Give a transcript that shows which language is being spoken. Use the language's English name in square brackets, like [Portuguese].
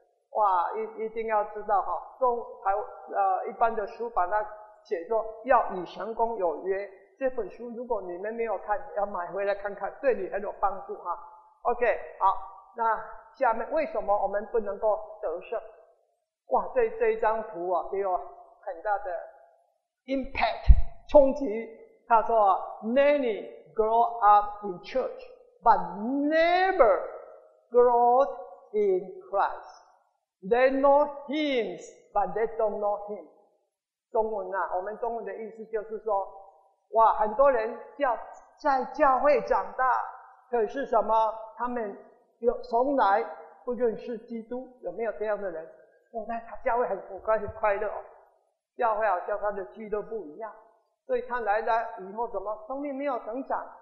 [Chinese] 哇，一定要知道哈，中台一般的书把它写作要与神工有约，这本书如果你们没有看，要买回来看看，对你很有帮助哈。 OK， 好，那下面为什么我们不能够得胜？哇，这一张图啊，给我很大的 impact 冲击。他说 [English] ，Many grow up in church, but never grow in Christ. They know him, but they don't know him. [Chinese] 中文啊，我们中文的意思就是说，哇，很多人在教会长大，可是什么？他们从来不认识基督，有没有这样的人？哦，那他教会很快乐哦，教会好像他的俱乐部一样，所以他来了以后怎么生命没有成长？